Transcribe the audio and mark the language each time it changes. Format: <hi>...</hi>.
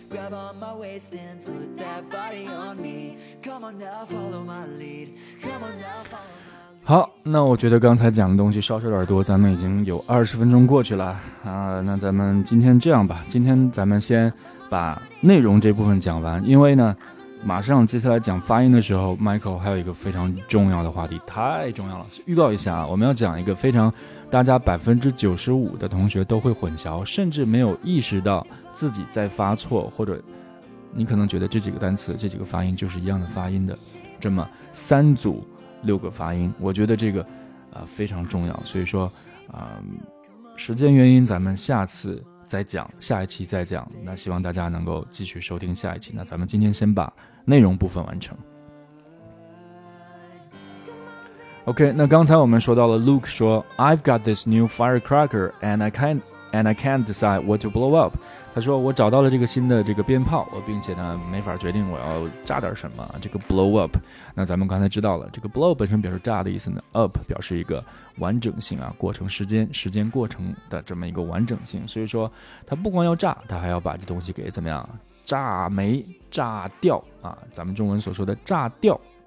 <en>Grab on my waist and put that body on me. Come on now, follow my lead. Come on now, follow my lead.</en> <zh>好，那我觉得刚才讲的东西稍稍有点多，咱们已经有20分钟过去了啊。那咱们今天这样吧，今天咱们先把内容这部分讲完，因为呢，马上接下来讲发音的时候 ，Michael 还有一个非常重要的话题，太重要了。预告一下，我们要讲一个非常大家95%的同学都会混淆，甚至没有意识到自己在发错，或者你可能觉得这几个单词、这几个发音就是一样的发音的，这么三组6个发音，我觉得这个非常重要。所以说，时间原因，咱们下次再讲，下一期再讲。那希望大家能够继续收听下一期。那咱们今天先把内容部分完成。</zh> <en>OK,</en> <zh>那刚才我们说到了</zh> <en>Luke</en> <zh>说</zh> <en>I've got this new firecracker and I can't decide what to blow up.</en> <zh>他说我找到了这个新的这个鞭炮，我并且呢没法决定我要炸点什么，这个 blow up。那咱们刚才知道了这个 blow 本身表示炸的意思呢， up 表示一个完整性啊，过程时间过程的这么一个完整性。所以说他不光要炸，他还要把这东西给怎么样炸没炸掉啊，咱们中文所说的炸掉。</zh>